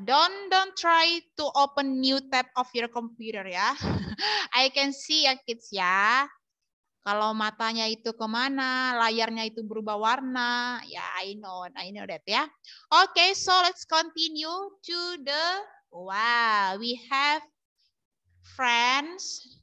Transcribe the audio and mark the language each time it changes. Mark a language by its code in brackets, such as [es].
[en] don't try to open new tab of your computer, ya. Yeah? I can see, ya, kids, ya. Yeah? [id] Kalau matanya itu kemana, layarnya itu berubah warna. [en] Ya, yeah, I know that ya. Yeah. Okay, so let's continue to the, wow, we have friends.